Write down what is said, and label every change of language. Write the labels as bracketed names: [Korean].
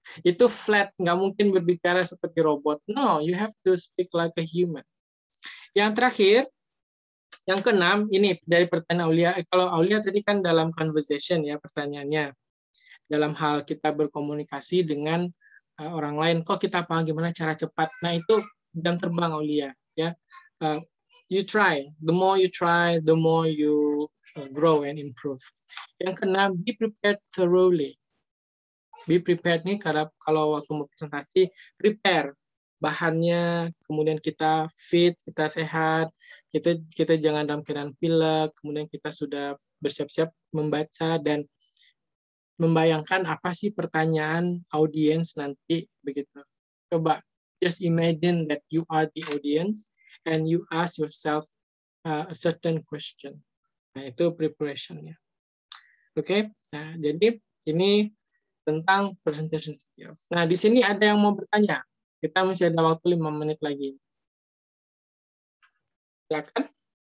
[Indonesian] Itu flat, nggak mungkin berbicara seperti robot. [English] No, you have to speak like a human. [Indonesian] Yang terakhir, yang keenam, ini dari pertanyaan Aulia. Kalau Aulia tadi kan dalam conversation ya pertanyaannya, dalam hal kita berkomunikasi dengan orang lain. Kok kita paham gimana cara cepat? Nah itu jam terbang Aulia, ya. [English] You try. The more you try, the more you grow and improve. [Indonesian] Yang keenam, [English] be prepared thoroughly. Be prepared [Indonesian] nih, karena kalau waktu mau presentasi, prepare bahannya. Kemudian kita fit, kita sehat. Kita jangan dalam keadaan pilek. Kemudian kita sudah bersiap-siap membaca dan membayangkan apa sih pertanyaan audience nanti begitu. Coba [English] just imagine that you are the audience. And you ask yourself a certain question. [Indonesian] Nah, itu preparation-nya. Okay? Nah, jadi ini tentang presentation skills. Nah, di sini ada yang mau bertanya. Kita masih ada waktu 5 menit lagi. Silakan.